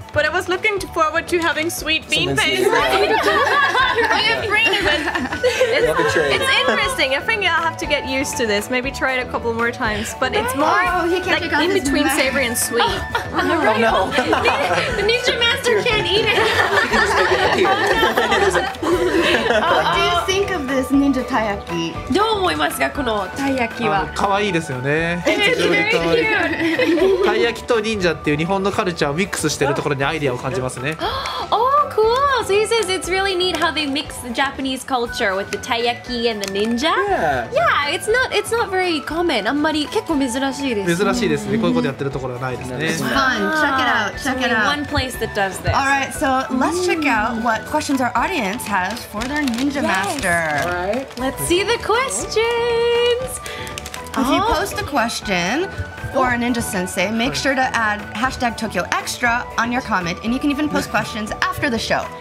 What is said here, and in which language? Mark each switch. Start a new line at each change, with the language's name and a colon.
English: But I was looking forward to having sweet bean paste. It's interesting. I think I'll have to get used to this. Maybe try it a couple more times. But it's more like in between savory and sweet. Oh no. The Ninja Master can't eat it. What do you think of this ninja taiyaki?
Japanese: どう思いますかこのタイ焼きは？可愛いですよね。
English: It's very cute.
Japanese: タイ焼きと忍者っていう日本のカルチャーをミックスしてるところにアイディアを感じますね。
English: Oh, cool. Oh, so he says it's really neat how they mix the Japanese culture with the taiyaki and the ninja. Yeah. Yeah, it's not very common.
Japanese: あんまり結構珍しいです。珍しいですね。こういうことやってるところはないですね。
English: It's fun. Check it out. Check it out. Only one place that does this. All right, so let's check out what questions our audience has for their ninja master. Right. Let's see the questions. If you post a question for a ninja sensei, make sure to add hashtag Tokyo Extra on your comment, and you can even post questions after the show.